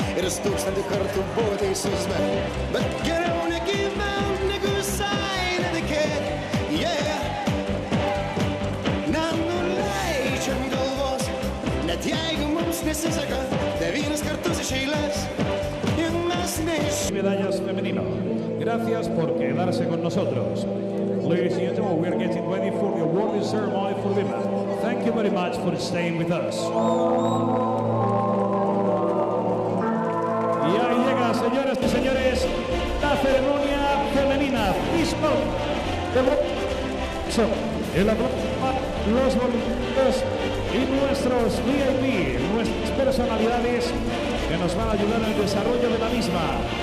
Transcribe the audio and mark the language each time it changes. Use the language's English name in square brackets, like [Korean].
[Lithuanian] Ir aš tūkstantį kartų buvo teisus, bet geriau negyvent, negu visai netikėt. Nenuleidžiam galvos, net jeigu mums nesiseka, devynis kartus iš eilės, ir mes neiš... [Spanish] Medallas femenino, gracias por quedarse con nosotros. [English] Ladies and gentlemen, we are getting ready for the awarding ceremony for women. Thank you very much for staying with us. [Spanish] Y ahí llega, señoras y señores, la ceremonia femenina. Disco de bronce. El aplauso para los voluntarios y nuestros VIP, nuestras personalidades que nos van a ayudar en el desarrollo de la misma.